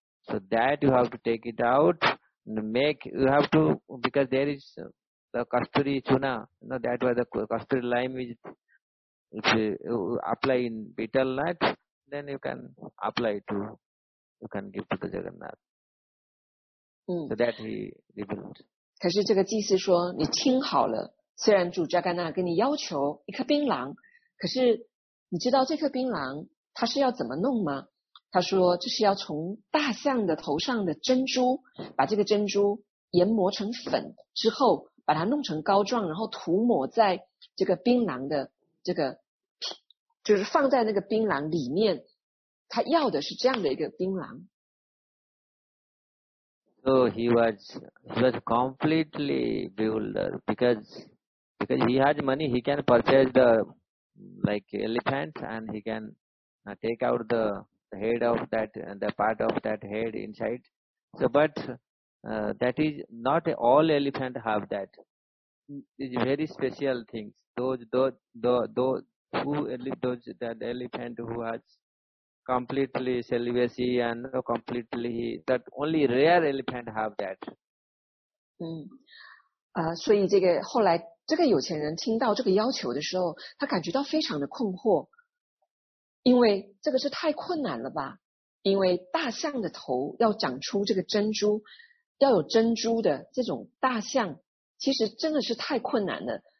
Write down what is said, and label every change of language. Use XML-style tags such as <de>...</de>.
<en>So that you have to take it out and make, you have to, because there is the kasturi chuna, that was the kasturi lime which you apply in betel nut, then you can apply to, you can give to the Jagannath. So that he rebuilt.</en> <zh>可是这个祭司说，你听好了，虽然主 Jagannath 跟你要求一颗槟榔，可是你知道这颗槟榔它是要怎么弄吗？他说就是要从大象的头上的珍珠，把这个珍珠研磨成粉之后，把它弄成膏状，然后涂抹在这个槟榔的这个，就是放在那个槟榔里面。他要的是这样的一个槟榔。</zh> <en>So he was completely bewildered because he had money, he can purchase the like elephants and he can take out the head of that, the part of that head inside. So, but that is not all elephant have that. It's very special things. Those elephant who has completely celibacy and completely, that only rare elephant have that.</en> <zh>所以这个后来这个有钱人听到这个要求的时候，他感觉到非常的困惑，因为这个是太困难了吧？因为大象的头要长出这个珍珠，要有珍珠的这种大象，其实真的是太困难了。</zh>